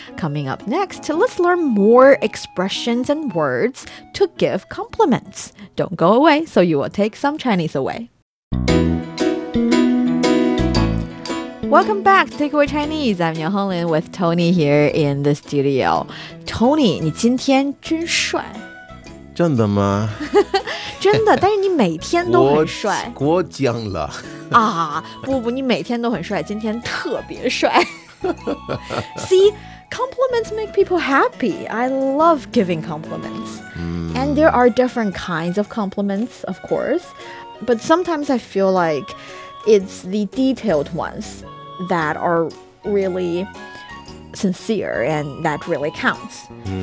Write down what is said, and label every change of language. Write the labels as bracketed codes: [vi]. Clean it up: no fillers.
[en] Coming up next, let's learn more expressions and words to give compliments. Don't go away, so you will take some Chinese away. Welcome back to Takeaway Chinese. I'm Niu Honglin with Tony here in the studio. [zh] Tony, 你今天真帅。真的吗？真的，但是你每天都很帅。过奖了。啊，不不，你每天都很帅，今天特别帅。 [en] See, compliments make people happy. I love giving compliments. And there are different kinds of compliments, of course. But sometimes I feel like it's the detailed ones that are really sincere and that really counts. Mm.